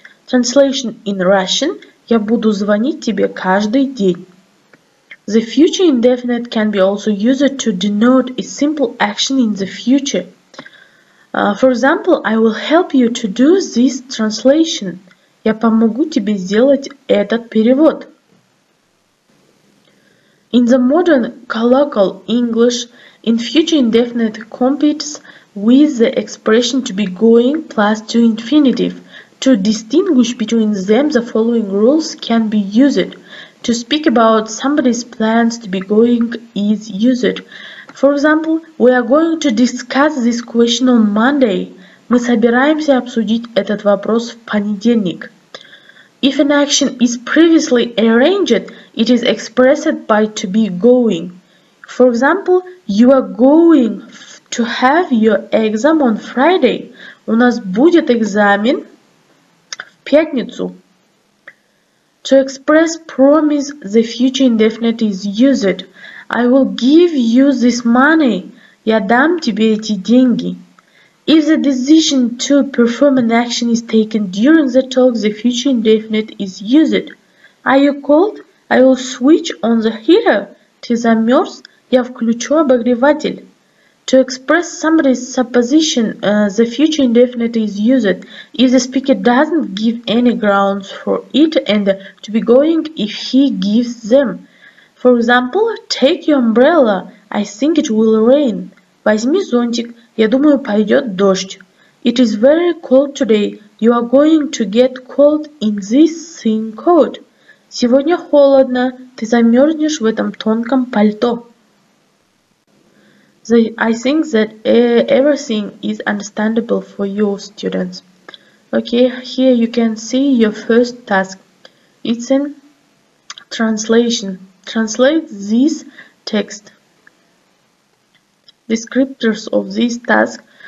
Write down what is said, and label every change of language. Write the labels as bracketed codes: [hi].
[en] Translation in Russian: [ru] Я буду звонить тебе каждый день. [en] The future indefinite can be also used to denote a simple action in the future. For example, I will help you to do this translation. [ru] Я помогу тебе сделать этот перевод. [en] In the modern colloquial English, in future indefinite competes with the expression to be going plus to infinitive. To distinguish between them, the following rules can be used. To speak about somebody's plans to be going is used. For example, we are going to discuss this question on Monday. [ru] Мы собираемся обсудить этот вопрос в понедельник. [en] If an action is previously arranged, it is expressed by to be going. For example, you are going to have your exam on Friday. [ru] У нас будет экзамен в пятницу. [en] To express promise, the future indefinite is used. I will give you this money. [ru] Я дам тебе эти деньги. [en] If the decision to perform an action is taken during the talk, the future indefinite is used. Are you cold? I will switch on the heater. [ru] Ты замерз? Я включу обогреватель. [en] To express somebody's supposition, the future indefinite is used. If the speaker doesn't give any grounds for it and to be going if he gives them. For example, take your umbrella. I think it will rain. [ru] Возьми зонтик. Я думаю, пойдет дождь. [en] It is very cold today. You are going to get cold in this thin coat. [ru] Сегодня холодно. Ты замерзнешь в этом тонком пальто. [en] I think that everything is understandable for your students. Okay, here you can see your first task. It's in translation. Translate this text. Descriptors of this task.